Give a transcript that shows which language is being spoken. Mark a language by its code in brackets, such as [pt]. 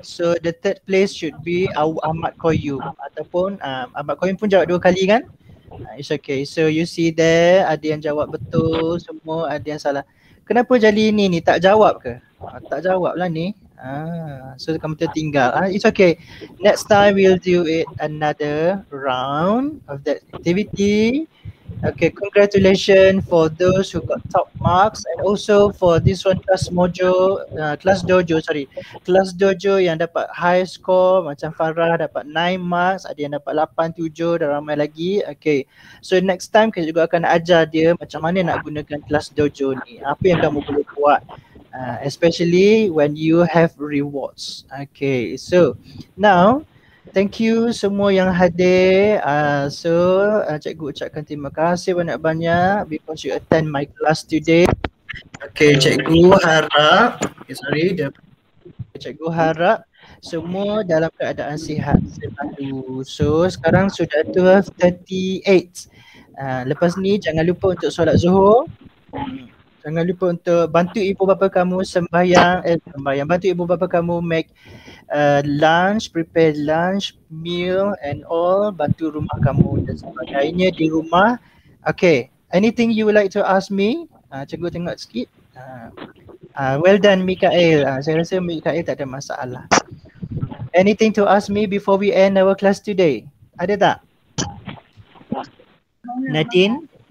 [en] So the third place should be Ahmad Koyum. [ms] Ataupun Ahmad Koyum pun jawab 2 kali kan. [en] It's okay. So you see there, [ms] ada yang jawab betul semua, ada yang salah. Kenapa jadi ni tak jawab ke? Tak jawab lah ni. [en] So [ms] kamu tertinggal. [en] It's okay. Next time we'll do it another round of that activity. Okay, congratulations for those who got top marks and also for this one class dojo yang dapat high score. [ms] Macam Farah dapat 9 marks, ada yang dapat 8, 7 dan ramai lagi. Okay, so next time kita juga akan ajar dia macam mana nak gunakan class dojo ni, apa yang kamu boleh buat. [en] Especially when you have rewards. Okay, so now thank you [ms] semua yang hadir. Cikgu ucapkan terima kasih banyak-banyak [en] because you attend my class today. [ms] Okay, cikgu harap cikgu harap semua dalam keadaan sihat selalu. So sekarang sudah 12:38. Lepas ni jangan lupa untuk solat Zuhur. Jangan lupa untuk bantu ibu bapa kamu sembahyang. Bantu ibu bapa kamu [en] make lunch, prepare lunch, meal and all. [ms] Bantu rumah kamu dan sebagainya di rumah. [en] Okay, anything you would like to ask me? [ms] Cikgu tengok sikit. [en] Well done, Mikael. [ms] Saya rasa Mikael tak ada masalah. [en] Anything to ask me before we end our class today? [ms] Ada tak? Nadine?